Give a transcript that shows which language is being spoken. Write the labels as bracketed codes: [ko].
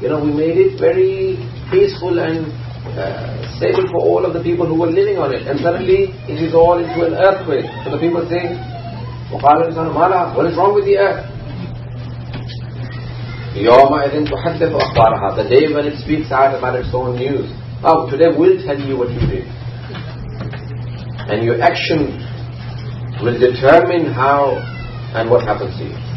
[en] You know, we made it very peaceful and stable for all of the people who were living on it. And suddenly, it is all into an earthquake. So the people say, [ar] وَقَالَ الْإِنسَانُ مَا لَهَا. [en] What is wrong with the earth? [ar] يَوْمَئِذٍ تُحَدِّثُ أَخْبَارَهَا. [en] The day when it speaks out about its own news. Oh, today we'll tell you what you did. And your action will determine how and what happens to you.